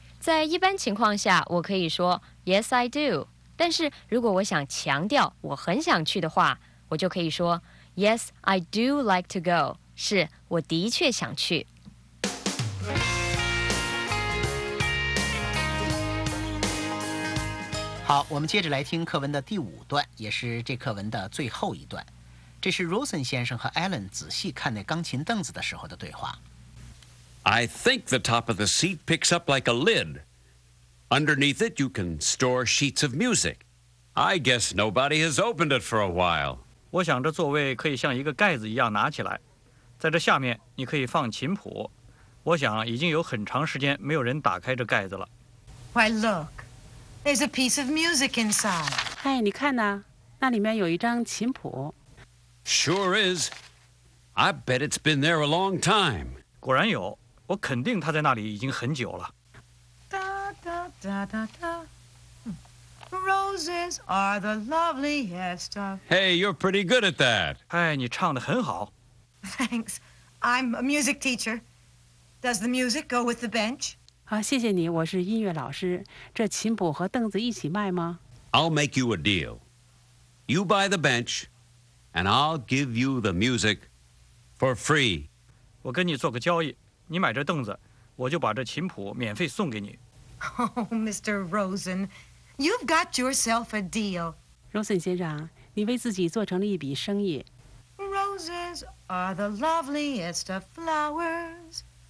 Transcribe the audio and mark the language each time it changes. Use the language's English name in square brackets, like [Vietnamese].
[Chinese] 在一般情况下我可以说 [English] Yes, I do， [Chinese] 但是如果我想强调我很想去的话，我就可以说 [English] Yes, I do like to go， [Chinese] 是我的确想去。好，我们接着来听课文的第五段，也是这课文的最后一段。这是 Rosen 先生和 Alan 仔细看那钢琴凳子的时候的对话。 [English] I think the top of the seat picks up like a lid. Underneath it, you can store sheets of music. I guess nobody has opened it for a while. [Chinese] 我想这座位可以像一个盖子一样拿起来，在这下面你可以放琴谱。我想已经有很长时间没有人打开这盖子了。 [English] Why look? There's a piece of music inside. [Chinese] 哎，你看呐，那里面有一张琴谱。 [English] Sure is. I bet it's been there a long time. [Chinese] 果然有，我肯定他在那里已经很久了。 [English] 哒哒哒哒哒 ，Roses are the loveliest of. Hey, you're pretty good at that. [Chinese] 哎，你唱得很好。 [English] Thanks, I'm a music teacher. Does the music go with the bench? [Chinese] 好，谢谢你，我是音乐老师。这琴谱和凳子一起卖吗 [English] ？I'll make you a deal. You buy the bench, and I'll give you the music for free. [Chinese] 我跟你做个交易，你买这凳子，我就把这琴谱免费送给你。 [English] Oh, Mr. Rosen, you've got yourself a deal. [Chinese] Rosen 先生，你为自己做成了一笔生意。 [English] Roses are the loveliest of flowers.